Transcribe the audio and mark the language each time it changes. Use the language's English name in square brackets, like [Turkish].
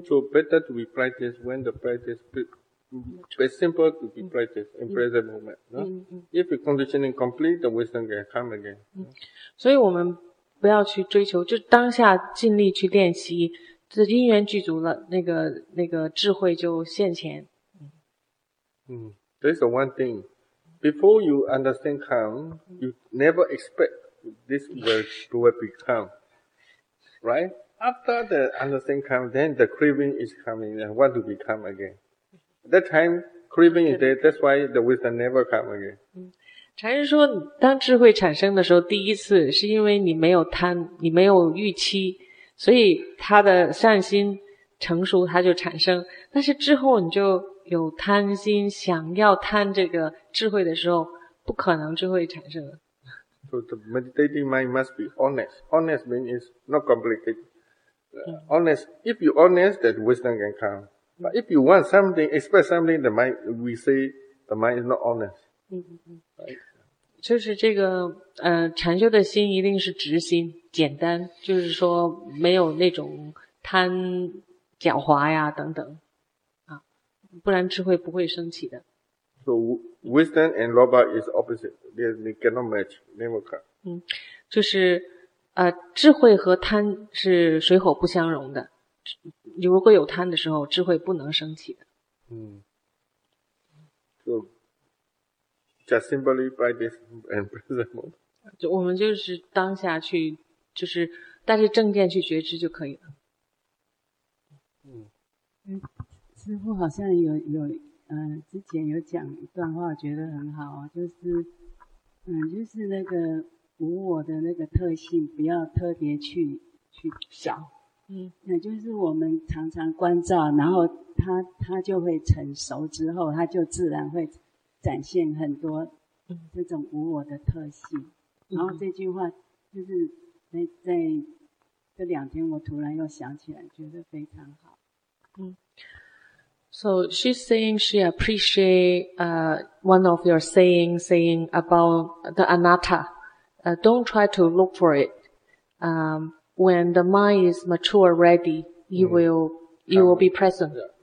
[English] So better to be practiced when the practice is simple to be practiced in present moment. If the conditioning complete, the wisdom can come again. [Chinese] 所以我们不要去追求，就当下尽力去练习，这因缘具足了，那个智慧就现前。 [English] That's the one thing. Before you understand come, you never expect this will become. Right? After the understanding comes, then the craving is coming and want to become again. That time, craving is there, that's why the wisdom never comes again. [Chinese] 禅师说，当智慧产生的时候，第一次是因为你没有贪，你没有预期，所以他的善心成熟，他就产生。但是之后你就有贪心，想要贪这个智慧的时候，不可能智慧产生了。 [English] So the meditating mind must be honest. Honest means it's not complicated. Honest. If you honest, that wisdom can come. But if you want something, expect something, the mind, we say the mind is not honest. [Chinese] 就是这个禅修的心一定是直心简单，就是说没有那种贪狡猾呀等等啊，不然智慧不会升起的。 [English] So wisdom and loba is opposite. They cannot match. Never come. [Chinese] 嗯，就是智慧和贪是水火不相容的。你如果有贪的时候，智慧不能升起的。嗯。 [English] So just simply by this and present moment. [Chinese] 我们就是当下去，就是带着正见去觉知就可以了。师父好像之前有讲一段话，觉得很好，就是那个无我的那个特性，不要特别去找，那就是我们常常关照，然后它就会成熟之后，它就自然会展现很多这种无我的特性。然后这句话就是在这两天我突然又想起来，觉得非常好。 [English] So she's saying she appreciates one of your saying about the anatta. Don't try to look for it. When the mind is mature, ready, you will be present.